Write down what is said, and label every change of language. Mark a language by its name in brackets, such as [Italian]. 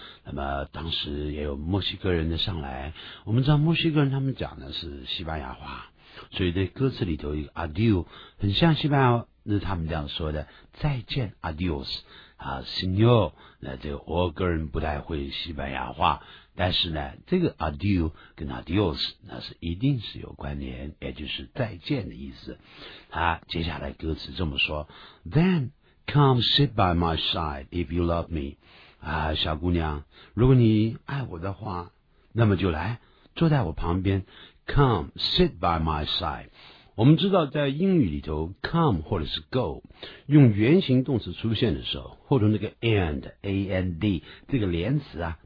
[Chinese] 那么当时也有墨西哥人的上来，我们知道墨西哥人他们讲的是西班牙话，所以在歌词里头一个 Adiós 很像西班牙，那他们这样说的再见 Adiós 啊 ，Señor。那这个我个人不太会西班牙话。但是呢，这个 adieu 跟 adios 那是一定是有关联，也就是再见的意思。他接下来歌词这么说 ： [English] Then come sit by my side if you love me。 [Chinese] 啊，小姑娘，如果你爱我的话，那么就来坐在我旁边。 [English] Come sit by my side。 [Chinese] 我们知道，在英语里头 ，come 或者是 go 用原形动词出现的时候，或者那个 and a n d 这个连词啊。